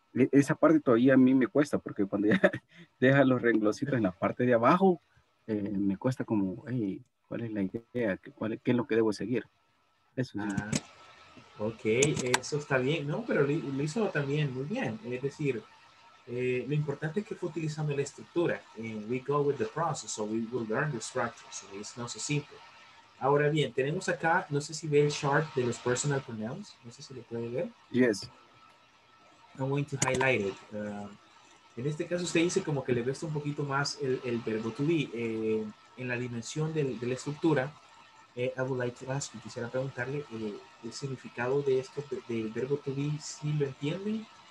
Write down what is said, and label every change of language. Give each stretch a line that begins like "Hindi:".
Spanish: Esa parte todavía a mí me cuesta, porque cuando ya deja los renglositos en la parte de abajo, me cuesta como, hey, ¿cuál es la idea? ¿Qué es lo que debo seguir? Eso sí. Ok, eso está bien, ¿no? Pero lo hizo también muy bien. Es decir, lo importante es que fue utilizando la estructura.
English: We go with the process, so we will learn the structure. So it's not so simple.
Spanish: Ahora bien, tenemos acá, no sé si ve el chart de los personal pronouns. No sé si lo puede ver.
English: Yes. I'm going to highlight it.
Spanish: En este caso, usted dice como que le resta un poquito más el verbo to be. En la dimensión de la estructura,
English: I would like to ask,
Spanish: quisiera preguntarle el significado de esto, del verbo to be, si lo entiende.